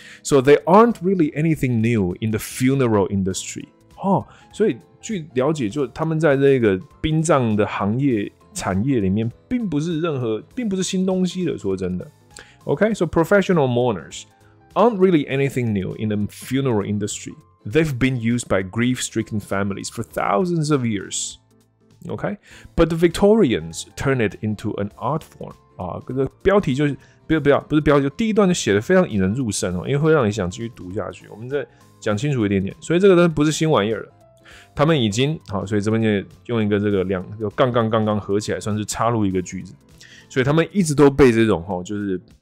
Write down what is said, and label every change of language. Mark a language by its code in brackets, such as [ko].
[en] So they aren't really anything new in the funeral industry。 [zh] 哦，所以据了解，就他们在这个殡葬的行业产业里面，并不是任何，并不是新东西的。说真的 [en] ，OK。So professional mourners。 Aren't really anything new in the funeral industry. They've been used by grief-stricken families for thousands of years. Okay, but the Victorians turned it into an art form. [zh] 啊，这个标题就是不是标题，就第一段就写的非常引人入胜哦，因为会让你想继续读下去。我们再讲清楚一点点，所以这个不是新玩意儿了。他们已经好，所以这边就用一个这个两就杠合起来，算是插入一个句子。所以他们一直都被这种哈，就是。